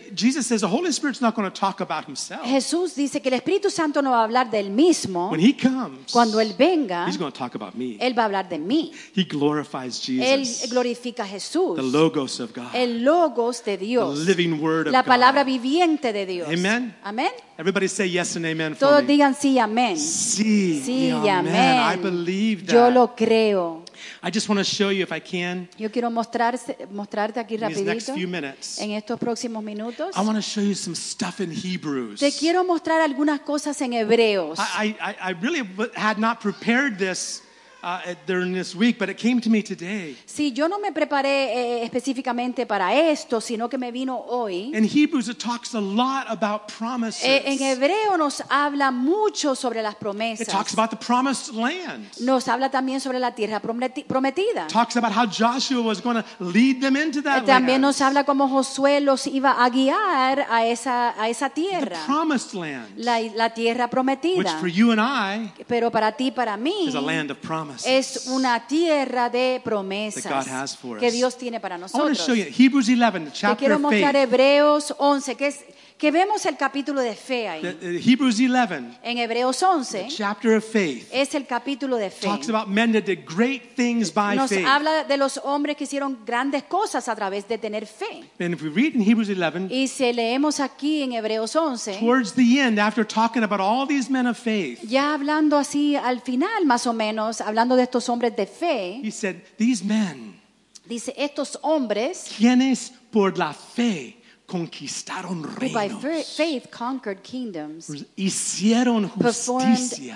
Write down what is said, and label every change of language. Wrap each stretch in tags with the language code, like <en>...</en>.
<en>Jesus says the Holy Spirit's not going to talk about himself.</en> <es>Jesús dice que el Espíritu Santo no va a hablar del mismo.</es> <en>When he comes,</en> <es>cuando él venga,</es> <en>he's going to talk about me.</en> <es>Él va a hablar de mí.</es> <en>He glorifies Jesus.</en> <es>Él glorifica a Jesús.</es> <en>The Logos of God.</en> <es>El Logos de Dios.</es> <en>The living Word of</en> <es>God. La palabra</es> <en>God.</en> <es>Viviente de Dios.</es> <en>Amen.</en> <es>Amen.</es> <en>Everybody say yes and amen for</en> <es>Todos</es> <en>me.</en> <es>Digan sí, amén. Sí, sí, amén.</es> <en>I believe that.</en> <es>Yo lo creo.</es> <en>I just want to show you, if I can,</en> <es>yo quiero mostrarte aquí rapidito, en estos próximos minutos.</es> <en>I want to show you some stuff in Hebrews.</en> <es>Te quiero mostrar algunas cosas en Hebreos.</es> <en>I really had not prepared this during this week, but it came to me today.</en> <es>Sí, yo no me preparé específicamente para esto, sino que me vino hoy.</es> <en>In Hebrews it talks a lot about promises.</en> <es>En Hebreo nos habla mucho sobre las promesas.</es> <en>It talks about the promised land.</en> <es>Nos habla también sobre la tierra prometida.</es> <en>It talks about how Joshua was going to lead them into that land.</en> <es>También nos habla cómo Josué los iba a guiar a esa tierra.</es> <en>The promised land.</en> <es>La tierra prometida.</es> <en>Which for you and I,</en> <es>pero para ti, para mí,</es> <en>is a land of promise.</en> <es>Es una tierra de promesas que Dios tiene para nosotros.</es> <en>I want to show you Hebrews 11, the chapter.</en> <es>Te quiero mostrar Hebreos 11, que vemos el capítulo de fe ahí.</es> <en>Hebrews 11,</en> <es>en Hebreos 11,</es> <en>the chapter of faith,</en> <es>es el capítulo de fe.</es> <en>Talks about men that did great things by</en> <es>nos</es> <en>faith.</en> <es>Habla de los hombres que hicieron grandes cosas a través de tener fe.</es> <en>And if we read in Hebrews 11,</en> <es>y si leemos aquí en Hebreos 11,</es> <en>towards the end, after talking about all these men of faith,</en> <es>ya hablando así al final, más o menos, hablando de estos hombres de fe,</es> <en>he said, these men,</en> <es>dice, estos hombres, quienes por la fe conquistaron reinos,</es> <en>by faith conquered kingdoms,</en> <es>hicieron justicia,</es>